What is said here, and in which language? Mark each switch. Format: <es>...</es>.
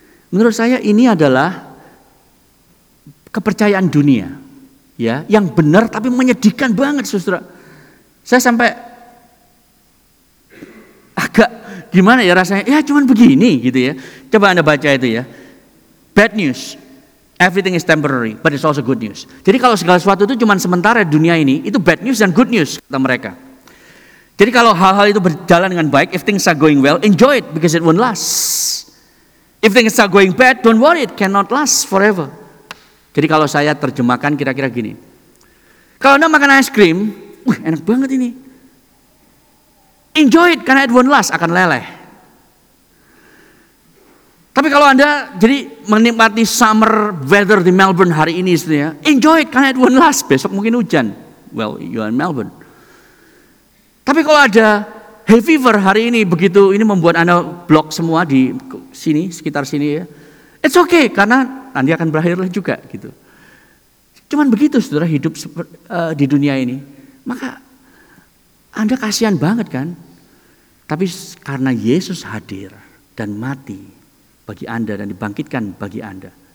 <id>Menurut saya ini adalah kepercayaan dunia. Ya, yang benar tapi menyedihkan banget, saudara. Saya sampai agak gimana ya rasanya? Ya cuman begini gitu ya. Coba Anda baca itu ya.</id> <en>Bad news. Everything is temporary, but it's also good news.</en> <id>Jadi kalau segala sesuatu itu cuman sementara di dunia ini, itu bad news dan good news kata mereka. Jadi kalau hal-hal itu berjalan dengan baik,</id> <en>if things are going well, enjoy it because it won't last. If things are going bad, don't worry, it cannot last forever.</en> <id>Jadi kalau saya terjemahkan kira-kira gini. Kalau Anda makan es krim, wih enak banget ini.</id> <en>Enjoy it,</en> <id>karena</id> <en>it won't last,</en> <id>akan leleh. Tapi kalau Anda jadi menikmati</id> <en>summer weather</en> <id>di Melbourne hari ini,</id> <en>enjoy it,</en> <id>karena</id> <en>it won't last,</en> <id>besok mungkin hujan.</id> <en>Well, you are in Melbourne.</en> <id>Tapi kalau ada hay fever hari ini, begitu ini membuat Anda blok semua di sini, sekitar sini ya.</id> <en>It's okay,</en> <id>karena nanti akan berakhir lah juga gitu. Cuman begitu saudara hidup di dunia ini. Maka Anda kasihan banget kan? Tapi karena Yesus hadir dan mati bagi Anda dan dibangkitkan bagi Anda.</id>